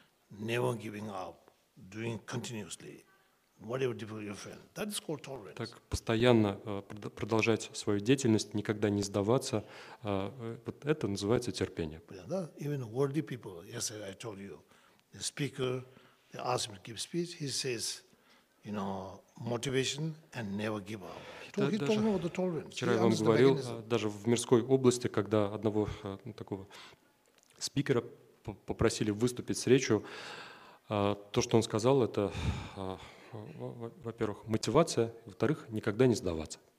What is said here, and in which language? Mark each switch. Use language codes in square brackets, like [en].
[en] Never giving up, doing continuously, whatever difficulty you face. That is called tolerance. [ru] Так постоянно продолжать свою деятельность, никогда не сдаваться, вот это называется терпение. [en] Да, even worldly people, yes, I told you, the speaker, they ask him to give speech, he says, you know, motivation and never give up. [ru] Вчера я вам говорил, даже в мирской области, когда одного такого спикера попросили выступить с речью. То, что он сказал, это, во-первых, мотивация, во-вторых, никогда не сдаваться.